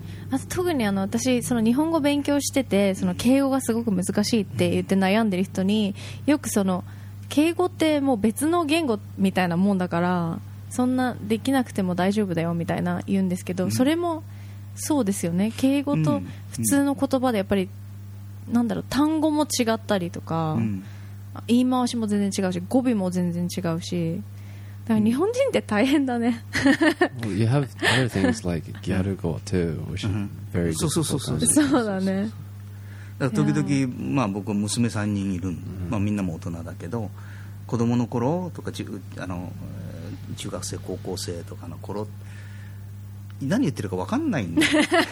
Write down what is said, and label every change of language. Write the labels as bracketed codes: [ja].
[ja] あと特に私その日本語勉強しててその敬語がすごく難しいって言って悩んでる人によくその敬語ってもう別の言語みたいなもんだからそんなできなくても大丈夫だよみたいな言うんですけど、それもそうですよね。敬語と普通の言葉でやっぱりなんだろう、単語も違ったりとか、言い回しも全然違うし語尾も全然違うし、日本人って大変だね。 [en] Well, you have other things like ギャル語 too, which is very difficult. [ja] そうだね。だから時々、僕は娘3人いるん、みんなも大人だけど、子供の頃とか中学生高校生とかの頃、何言ってるか分かんないんだよね。